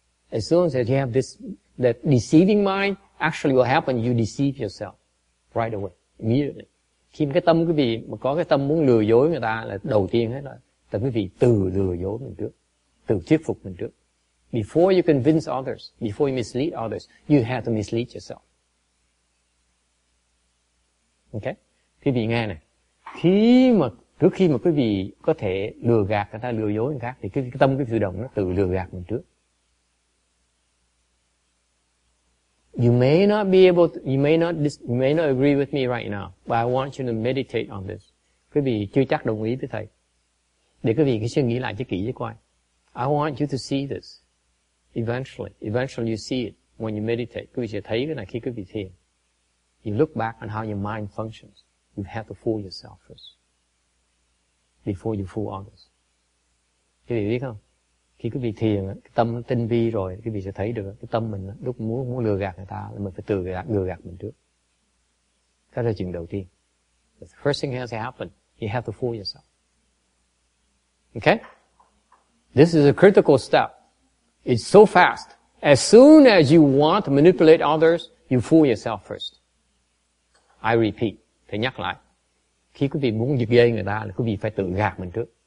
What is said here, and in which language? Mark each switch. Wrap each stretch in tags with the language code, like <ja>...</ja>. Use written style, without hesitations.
<en>As soon as you have this, that deceiving mind, actually what happens, you deceive yourself right away, immediately.</en> <vi>Khi cái tâm quý vị mà có cái tâm muốn lừa dối người ta là đầu tiên hết rồi. Tâm quý vị tự lừa dối mình trước, tự thuyết phục mình trước.</vi> <en>Before you convince others, before you mislead others, you have to mislead yourself.</en> <vi>Okay? Quý vị nghe này. Khi mà trước khi mà quý vị có thể lừa gạt người ta, lừa dối người khác, thì cái tâm cái tự động nó tự lừa gạt mình trước.</vi> <en>You may not agree with me right now, but I want you to meditate on this.</en> <vi>Quý vị chưa chắc đồng ý với thầy. Để quý vị cứ suy nghĩ lại cho kỹ cho coi.</vi> <en>I want you to see this. Eventually you see it when you meditate.</en> <vi>Quý vị sẽ thấy cái này khi quý vị thiền.</vi> <en>You look back on how your mind functions. You have to fool yourself first. Before you fool others.</en> <vi>Quý vị biết không? Khi quý vị thiền, cái tâm nó tinh vi rồi, quý vị sẽ thấy được cái tâm mình lúc muốn lừa gạt người ta, là mình phải tự lừa gạt mình trước. Đó là chuyện đầu tiên.</vi> <en>But the first thing has to happen, you have to fool yourself. Okay? This is a critical step. It's so fast. As soon as you want to manipulate others, you fool yourself first. I repeat.</en> <vi>Thầy nhắc lại. Khi quý vị muốn giật dây người ta, là quý vị phải tự gạt mình trước.</vi>